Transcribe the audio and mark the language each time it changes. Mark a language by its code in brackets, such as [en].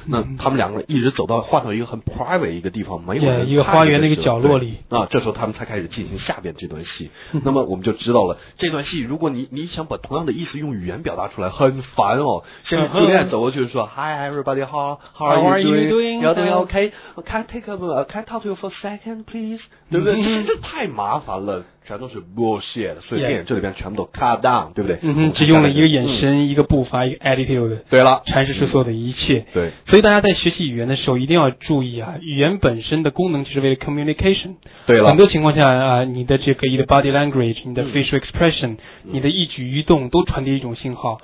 [zh] 那他们两个一直走到换到一个很 private 一个地方，没有人看一个花园那个角落里，那这时候他们才开始进行下边这段戏。那么我们就知道了，这段戏如果你想把同样的意思用语言表达出来很烦哦。现在朱丽安走过去说 [en] Hi everybody how are you doing you're doing OK can I talk to you for a second please， [zh] 对不对？这太麻烦了，全都是 bullshit， 所以电影这里边全部都 [en] cut down， [zh] 对不对？只用了一个眼神、一个步伐、一个 attitude，对了，阐释出所有的一切。对，所以大家在学习语言的时候一定要注意啊，语言本身的功能就是为了 communication。对了，很多情况下啊、你的这个你的 body language， 你的 facial expression，你的一举一动都传递一种信号。